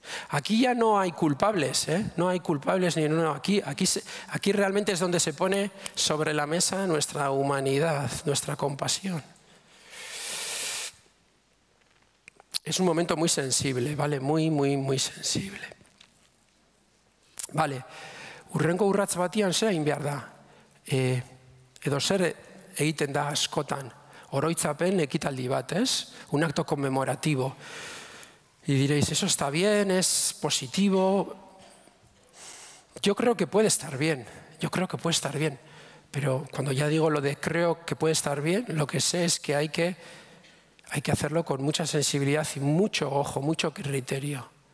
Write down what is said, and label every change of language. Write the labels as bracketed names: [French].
[Spanish] Aquí ya no hay culpables, ¿eh? No hay culpables ni uno. Aquí realmente es donde se pone sobre la mesa nuestra humanidad, nuestra compasión. Es un momento muy sensible, ¿vale? Muy, muy, muy sensible. Vale. [Basque] Urrengo urratz batian zer egin behar da. Edo zer egiten da askotan. Oroitzapen ekitaldi bat, [Spanish] ¿es? Un acto conmemorativo. Y diréis, eso está bien, es positivo. Yo creo que puede estar bien. Yo creo que puede estar bien. Pero cuando ya digo lo de creo que puede estar bien, lo que sé es que hay que hacerlo con mucha sensibilidad y mucho ojo, mucho criterio.